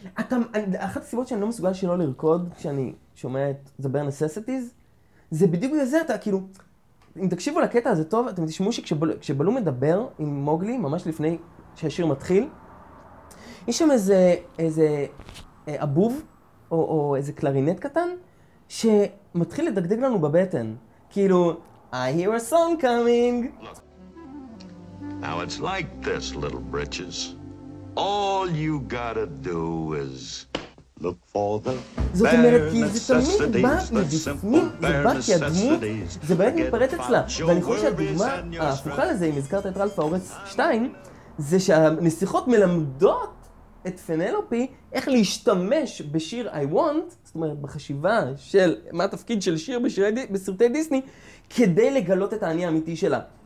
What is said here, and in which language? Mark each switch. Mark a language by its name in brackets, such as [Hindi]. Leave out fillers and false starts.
[Hebrew] אחת הסיבות שאני לא מסוגל שלא לרקוד, כשאני שומע את The Bare Necessities, זה בדיוק בגלל זה, אתה כאילו... אם תקשיבו לקטע הזה טוב, אתם תשמעו שכשבלו מדבר עם מוגלי, ממש לפני שהשיר מתחיל, יש שם איזה אבוב או איזה קלרינט קטן, שמתחיל לדגדג לנו בבטן. [English] כאילו, I hear a song coming. Now it's like this, little britches. All you gotta do is look for the bare necessities. [Hebrew] זאת אומרת, כי זה תמיד בא מבפנים, זה בא כי הדמות, זה באמת מתפרץ אצלה. ואני חושב שהדוגמה ההפוכה לזה, אם הזכרת את רלף האורס 2, זה שהנסיכות מלמדות את פנלופי איך להשתמש בשיר I want, זאת אומרת, בחשיבה של מה התפקיד של שיר בסרטי דיסני, כדי לגלות את העני האמיתי שלה.